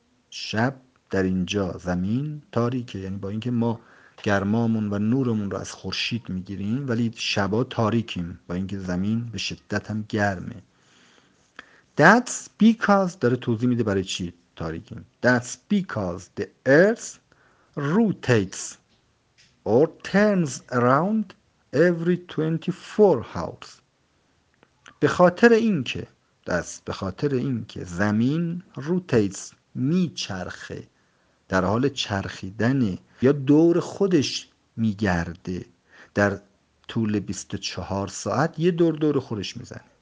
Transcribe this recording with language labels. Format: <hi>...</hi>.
<fa>شب در اینجا زمین تاریکه، یعنی با اینکه ما گرمامون و نورمون رو از خورشید میگیریم ولی شبا تاریکیم، با اینکه زمین به شدت هم گرمه.</fa> <en>That's because،</en> <fa>داره توضیح میده برای چی تاریکیم.</fa> <en>That's because the earth rotates or turns around every 24 hours.</en> <fa>به خاطر اینکه دست به خاطر اینکه زمین rotates، میچرخه، در حال چرخیدنه یا دور خودش میگرده، در طول 24 ساعت یه دور دور خودش میزنه.</fa>